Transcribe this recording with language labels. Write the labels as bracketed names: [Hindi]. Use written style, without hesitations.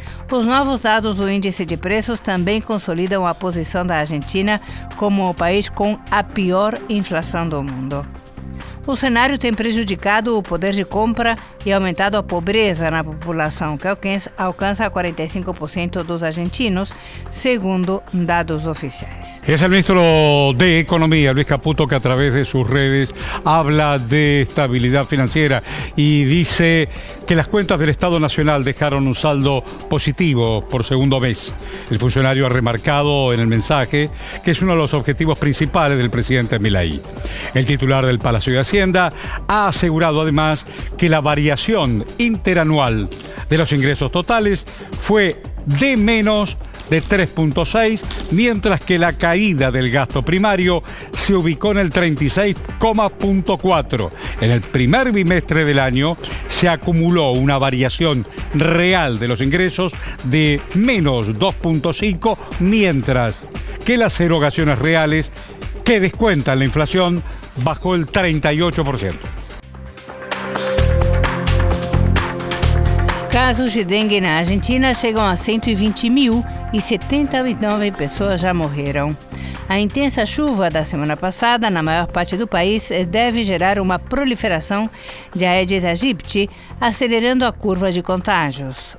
[Portuguese] Os novos dados do índice de preços também consolidam a posição da Argentina como o país com a pior inflação do mundo. O cenário tem prejudicado o poder de compra e aumentado a pobreza na população, que alcança 45% dos argentinos, segundo dados oficiais. [Spanish] Es el ministro de Economía, Luis Caputo, que a través de sus redes habla de estabilidad financiera y dice que las cuentas del Estado Nacional dejaron un saldo positivo por segundo mes. El funcionario ha remarcado en el mensaje que es uno de los objetivos principales del presidente Milei. El titular del Palacio de Hacienda ha asegurado además que la variación interanual de los ingresos totales fue de menos de 3.6, mientras que la caída del gasto primario se ubicó en el 36.4. En el primer bimestre del año se acumuló una variación real de los ingresos de menos 2.5, mientras que las erogaciones reales que descuentan la inflación bajó el 38%. [Portuguese] Casos de dengue na Argentina chegam a 120 mil e 79 pessoas já morreram. A intensa chuva da semana passada na maior parte do país deve gerar uma proliferação de Aedes aegypti, acelerando a curva de contágios.